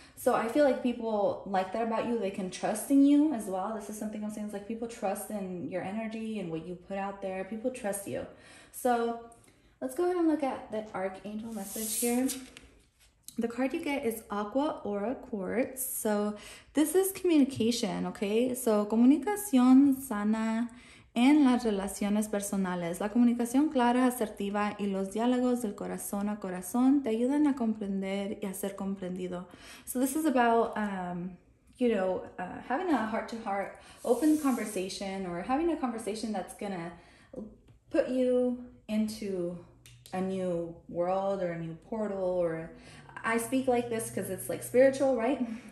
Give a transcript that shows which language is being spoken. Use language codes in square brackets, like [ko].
[en] So I feel like people like that about you. They can trust in you as well. This is something I'm saying. It's like people trust in your energy and what you put out there. People trust you. So let's go ahead and look at the Archangel message here. The card you get is Aqua Aura Quartz. So this is communication, okay? [es] So comunicación sana en las relaciones personales. La comunicación clara, asertiva, y los diálogos del corazón a corazón te ayudan a comprender y a ser comprendido. [en] So this is about, having a heart-to-heart open conversation, or having a conversation that's going to put you into a new world or a new portal. Or I speak like this because it's like spiritual, right?